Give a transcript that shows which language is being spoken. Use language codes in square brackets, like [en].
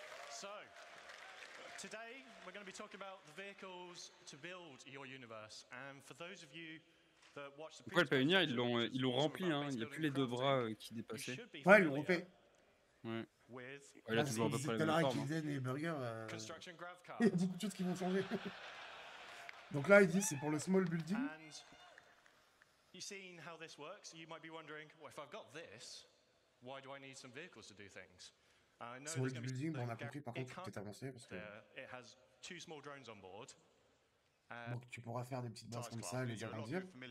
[en] So, today, we're going to be talking about the vehicles to build your universe. And for those of you... [fr] Pourquoi le Pioneer, ils l'ont rempli, hein. Il n'y a plus les deux bras qui dépassaient. Ouais, ils l'ont refait. Ouais. Ouais, là, toujours un peu problème. C'est tout à l'heure qu'ils disaient les burgers. Il y a beaucoup de choses qui vont changer. Donc là, il dit c'est pour le small building. [en] You seen how this works? You might be wondering, well, if I've got this, why do I need some vehicles to do things? [fr] Sur le building, on a compris par contre que tu es avancé. Parce que... [en] It has two small drones on board. [fr] Donc tu pourras faire des petites bases comme ça et les agrandir.